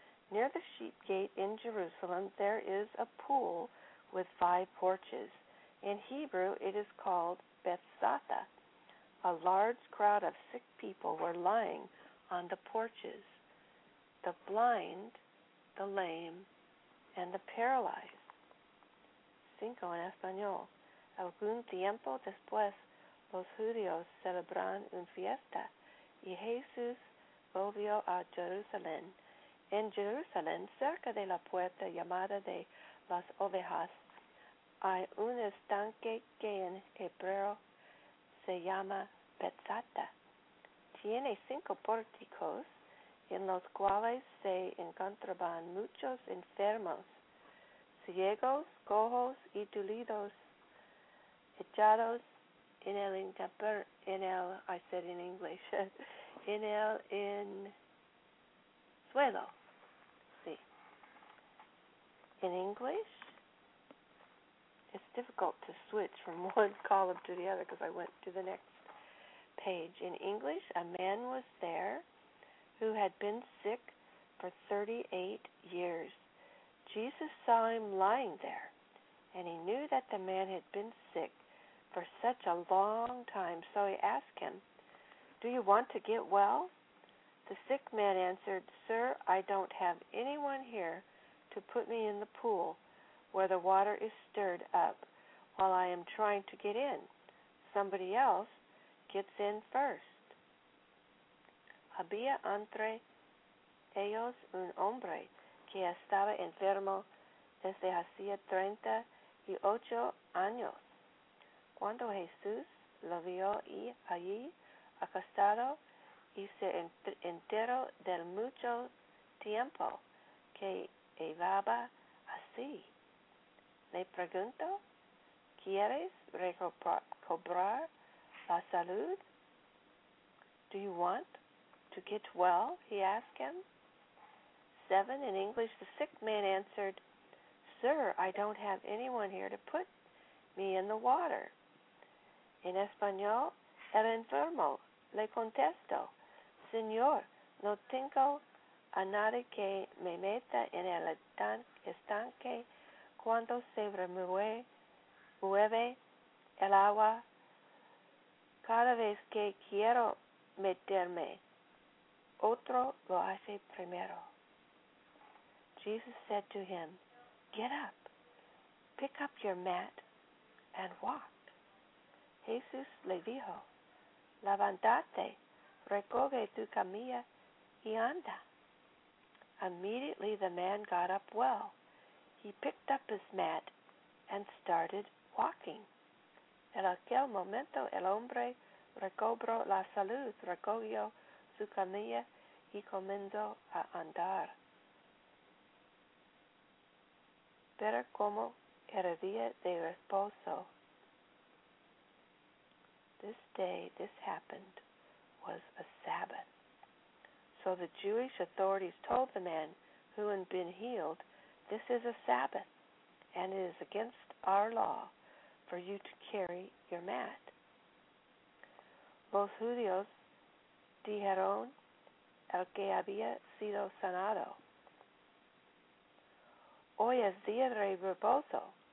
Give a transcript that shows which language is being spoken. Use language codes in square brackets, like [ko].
[en] Near the Sheep Gate in Jerusalem, there is a pool with 5 porches. In Hebrew, it is called Bethesda. A large crowd of sick people were lying on the porches, the blind, the lame, and the paralyzed. [es] 5 en español. Algún tiempo después, los judíos celebran una fiesta y Jesús volvió a Jerusalén. En Jerusalén, cerca de la puerta llamada de las ovejas, hay un estanque que en hebreo se llama Bethesda. Tiene 5 pórticos en los cuales se encontraban muchos enfermos, ciegos, cojos y tullidos, echados en el suelo. Sí. [en] In English, it's difficult to switch from one column to the other because I went to the next page. In English, a man was there who had been sick for 38 years. Jesus saw him lying there, and he knew that the man had been sick for such a long time, so he asked him, "Do you want to get well?" The sick man answered, "Sir, I don't have anyone here to put me in the pool where the water is stirred up while I am trying to get in. Somebody else gets in first." [es] Había entre ellos un hombre que estaba enfermo desde hacía 38 años. Cuando Jesús lo vio y allí acostado y se enteró del mucho tiempo que llevaba así, le preguntó, "¿Quieres recobrar la salud?" [en] "Do you want to get well?" he asked him. 7. In English, the sick man answered, "Sir, I don't have anyone here to put me in the water." [es] En español, el enfermo le contestó, "Señor, no tengo a nadie que me meta en el estanque cuando se remueve el agua cada vez que quiero meterme. Otro lo hace primero. [en] Jesus said to him, "Get up, pick up your mat, and walk." [es] Jesús le dijo, "Levántate, recoge tu camilla y anda." [en] Immediately the man got up well. He picked up his mat and started walking. [es] En aquel momento el hombre recobró la salud, recogió su camilla y comenzó a andar. Pero como era día de reposo, [en] this day this happened was a Sabbath. So the Jewish authorities told the man who had been healed, "This is a Sabbath, and it is against our law for you to carry your mat." [es] Los judíos dijeron al que había sido sanado, "Hoy es día de reposo.